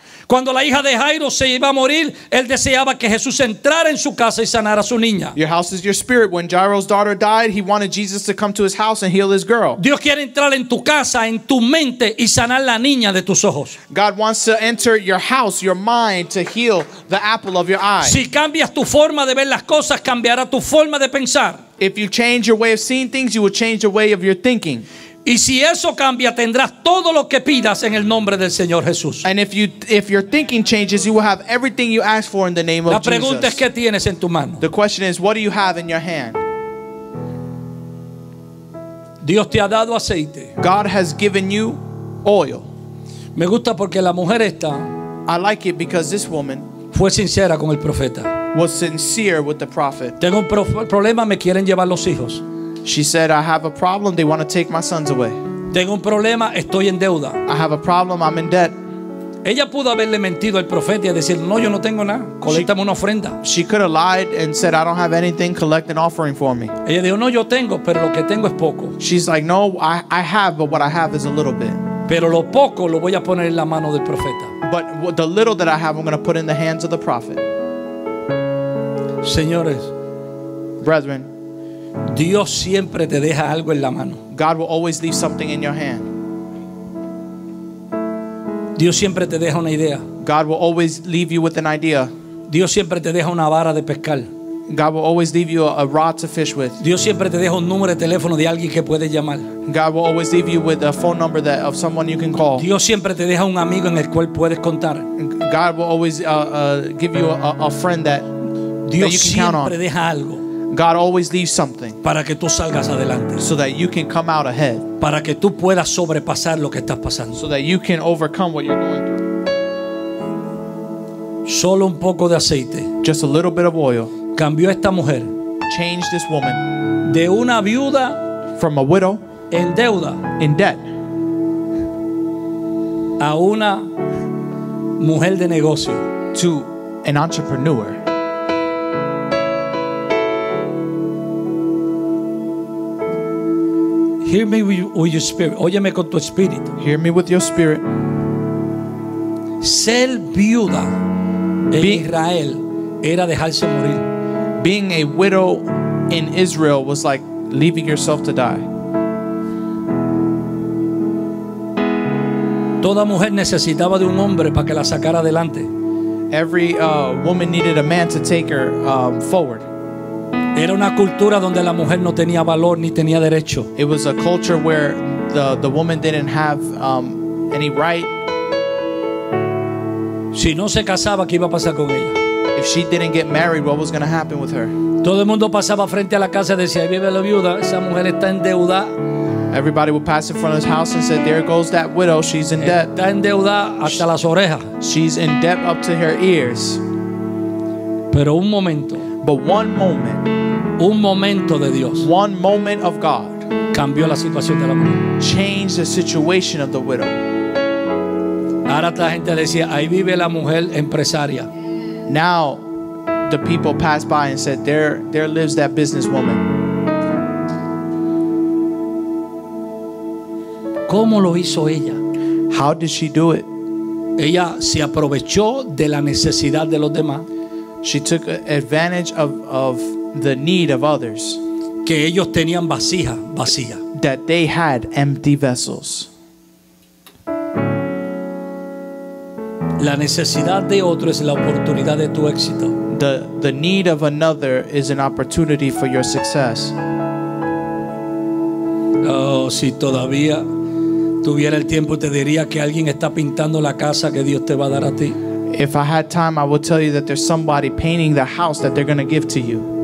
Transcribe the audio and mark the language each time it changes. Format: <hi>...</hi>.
<es>Cuando la hija de Jairo se iba a morir, él deseaba que Jesús entrara en su casa y sanara a su niña.</es> <en>Your house is your spirit. When Jairo's daughter died, he wanted Jesus to come to his house and heal his girl.</en> <es>Dios quiere entrar en tu casa, en tu mente y sanar la niña de tus ojos.</es> <en>God wants to enter your house, your mind, to heal the apple of your eye.</en> <es>Si cambias tu forma de ver las cosas, cambiará tu forma de pensar.</es> <en>If you change your way of seeing things, you will change your way of your thinking.</en> <es>Y si eso cambia, tendrás todo lo que pidas en el nombre del Señor Jesús.</es> <en>And if your thinking changes, you will have everything you ask for in the name of Jesus.</en> <es>La pregunta es, ¿qué tienes en tu mano?</es> <en>The question is, what do you have in your hand?</en> <es>Dios te ha dado aceite.</es> <en>God has given you oil.</en> <es>Me gusta porque la mujer esta,</es> <en>I like it because this woman,</en> <es>fue sincera con el profeta.</es> <en>Was sincere with the prophet.</en> <es>Tengo un problema, me quieren llevar los hijos.</es> <en>She said, I have a problem. They want to take my sons away.</en> <es>Tengo un problema. Estoy en deuda.</es> <en>I have a problem. I'm in debt.</en> <es>Ella pudo haberle mentido al profeta y decir, no, yo no tengo nada. Coléctame una ofrenda.</es> <en>She could have lied and said, I don't have anything. Collect an offering for me.</en> <es>Ella dijo, no, yo tengo, pero lo que tengo es poco.</es> <en>She's like, no, I have, but what I have is a little bit.</en> <es>Pero lo poco lo voy a poner en la mano del profeta.</es> <en>But the little that I have, I'm going to put in the hands of the prophet.</en> <es>Señores.</es> <en>Brethren.</en> <es>Dios siempre te deja algo en la mano.</es> <en>God will always leave something in your hand.</en> <es>Dios siempre te deja una idea.</es> <en>God will always leave you with an idea.</en> <es>Dios siempre te deja una vara de pescar.</es> <en>God will always leave you a rod to fish with.</en> <es>Dios siempre te deja un número de teléfono de alguien que puedes llamar.</es> <en>God will always leave you with a phone number that of someone you can call.</en> <es>Dios siempre te deja un amigo en el cual puedes contar.</es> <en>God will always give you a friend that Dios that you can count on.</en> <es>Deja algo.</es> <en>God always leaves something</en> <es>para que tú salgas adelante.</es> <en>So that you can come out ahead.</en> <es>Para que tú puedas sobrepasar lo que estás pasando.</es> <en>So that you can overcome what you're going through.</en> <es>Solo un poco de aceite.</es> <en>Just a little bit of oil.</en> <es>Cambió esta mujer.</es> <en>Changed this woman.</en> <es>De una viuda.</es> <en>From a widow.</en> <es>En deuda.</es> <en>In debt.</en> <es>A una mujer de negocio.</es> <en>To an entrepreneur. Hear me with your spirit.</en> <es>Óyeme con tu espíritu.</es> <en>Hear me with your spirit.</en> <es>Ser viuda. Israel era dejarse morir.</es> <en>Being a widow in Israel was like leaving yourself to die.</en> <es>Toda mujer necesitaba de un hombre para que la sacara adelante.</es> <en>Every woman needed a man to take her forward.</en> <es>Era una cultura donde la mujer no tenía valor ni tenía derecho.</es> <en>It was a culture where the woman didn't have any right.</en> <es>Si no se casaba, ¿qué iba a pasar con ella?</es> <en>If she didn't get married, what was going to happen with her?</en> <es>Todo el mundo pasaba frente a la casa y decía, ahí vive la viuda, esa mujer está en deuda.</es> <en>Everybody would pass in front of his house and said, there goes that widow, she's in debt.</en> <es>Está en deuda hasta las orejas.</es> <en>She's in debt up to her ears.</en> <es>Pero un momento.</es> <en>But one moment.</en> <es>Un momento de Dios.</es> <en>One moment of God.</en> <es>Cambió la situación de la mujer.</es> <en>Changed the situation of the widow.</en> <es>Ahora la gente decía, ahí vive la mujer empresaria.</es> <en>Now the people passed by and said, there lives that businesswoman.</en> <es>¿Cómo lo hizo ella?</es> <en>How did she do it?</en> <es>Ella se aprovechó de la necesidad de los demás.</es> <en>She took advantage of the need of others.</en> <es>Que ellos tenían vasija, vacía.</es> <en>That they had empty vessels.</en> <es>La necesidad de otro es la oportunidad de tu éxito.</es> <en>The need of another is an opportunity for your success.</en> <es>Oh, si todavía tuviera el tiempo, te diría que alguien está pintando la casa que Dios te va a dar a ti.</es> <en>If I had time, I would tell you that there's somebody painting the house that they're going to give to you.</en>